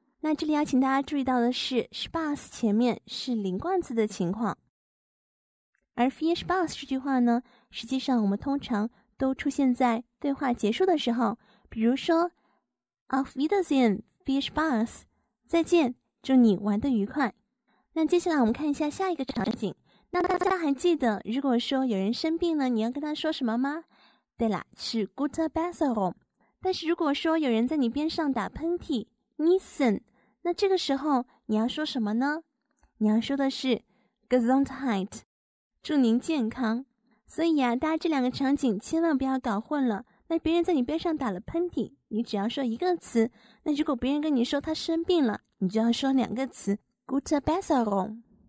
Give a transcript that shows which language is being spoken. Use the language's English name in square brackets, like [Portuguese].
[Chinese] 那这里要请大家注意到的是 Spaß 前面是零冠词的情况，而 [German] viel Spaß [Chinese] 这句话呢，实际上我们通常都出现在对话结束的时候，比如说 [German] Auf Wiedersehen viel Spaß， [Chinese] 再见，祝你玩得愉快。那接下来我们看一下下一个场景，那大家还记得如果说有人生病了你要跟他说什么吗？对啦，是 [German] Gute Besserung。 [Chinese] 但是如果说有人在你边上打喷嚏Niesen， 那这个时候你要说什么呢？你要说的是 Gesundheit， 祝您健康。所以啊，大家这两个场景千万不要搞混了。那别人在你边上打了喷嚏，你只要说一个词，那如果别人跟你说他生病了，你就要说两个词 [German] Gute Besserung。